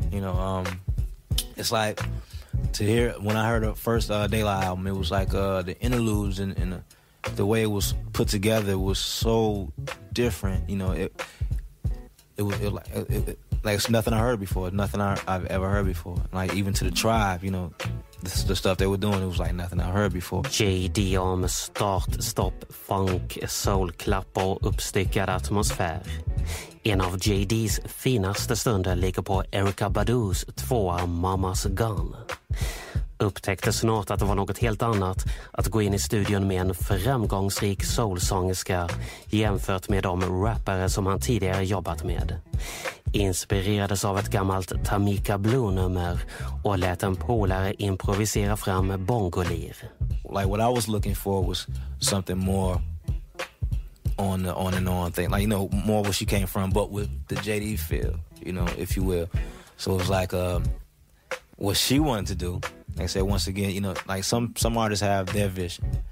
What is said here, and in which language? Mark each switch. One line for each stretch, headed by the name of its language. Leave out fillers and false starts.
English: You know, it's like to hear when I heard the first De La album, it was like the interludes and the way it was put together was so different. You know, it's nothing I heard before. Nothing I've ever heard before. Like, even to the Tribe, you know, the stuff they were doing, it was like nothing I heard before.
Swedish: J.D. om start, stop, funk, soul, klapp och uppstickad atmosfär. En av J.D.'s finaste stunder ligger på Erykah Badus tvåa Mama's Gun. Upptäckte snart att det var något helt annat att gå in i studion med en framgångsrik soulsångerska jämfört med de rappare som han tidigare jobbat med. Inspirerades av ett gammalt Tamika Blue-nummer och lät en polare improvisera fram bongolir.
English: Like what I was looking for was something more on and on thing. Like, you know, more where she came from, but with the JD feel, you know, if you will. So it was like what she wanted to do. Like I said, once again, you know, like some artists have their vision.